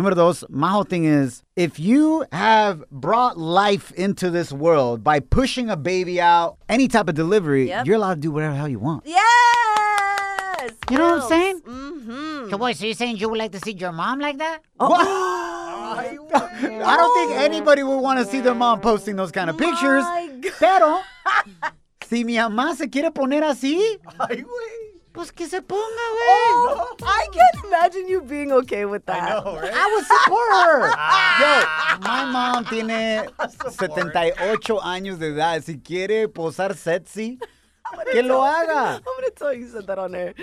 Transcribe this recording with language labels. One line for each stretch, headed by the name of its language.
Spanish: Número dos,
English: my whole thing is, if you have brought life into this world by pushing a baby out, any type of delivery, you're allowed to do whatever the hell you want. Yes! You know what I'm saying? Mm-hmm. So, boy, so you're saying you would like to see your mom like that? What? I don't think anybody would want to see their mom posting those kind of pictures.
Spanish: Pero, si mi mamá se quiere poner así, ay, güey. Pues que se ponga,
English: I can't imagine you being okay with that. I know, right? I would support her. Yo, my mom
Spanish: tiene 78 años de edad. Si quiere posar sexy, que lo haga.
English: I'm going to tell you said that on air.